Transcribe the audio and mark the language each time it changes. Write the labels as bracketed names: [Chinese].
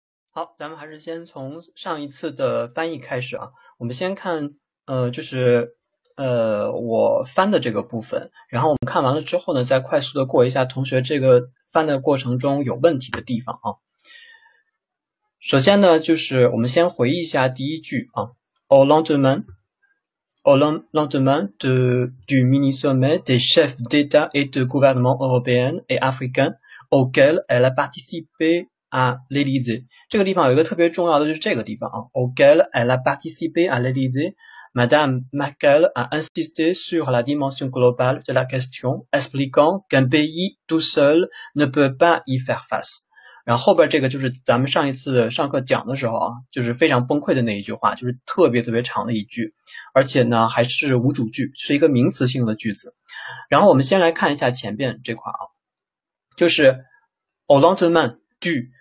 [Chinese] 好，咱们还是先从上一次的翻译开始啊。我们先看，就是，我翻的这个部分。然后我们看完了之后呢，再快速的过一下同学这个翻的过程中有问题的地方啊。首先呢，就是我们先回忆一下第一句啊， [French] au lendemain, du mini-sommet des chefs d'État et de gouvernement européens et africains auxquels elle a participé。 [Chinese] 啊，l'Élysée 这个地方有一个特别重要的，就是这个地方啊。 [French] Auquel elle a participé à l'Élysée, Madame Merkel a insisté sur la dimension globale de la question, expliquant qu'un pays tout seul ne peut pas y faire face。 [Chinese] 然后后边这个就是咱们上一次上课讲的时候啊，就是非常崩溃的那一句话，就是特别特别长的一句，而且呢还是无主句，是一个名词性的句子。然后我们先来看一下前边这块啊，就是 [French] au lendemain du。